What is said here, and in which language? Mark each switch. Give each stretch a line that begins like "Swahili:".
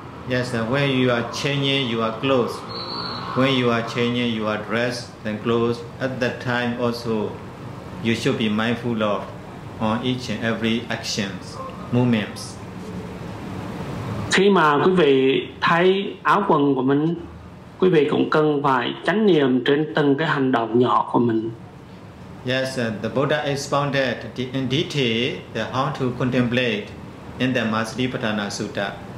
English: Yes, when you are changing your clothes, when you are changing your dress and clothes, at that time also, you should be mindful of on each and every actions, movements.
Vietnamese: Khi mà quý vị thay áo quần của mình, quý vị cũng cần phải chánh niệm trên từng cái hành động nhỏ của mình.
English: Yes, the Buddha expounded in detail the how to contemplate in the Matsuripatthana Sutta.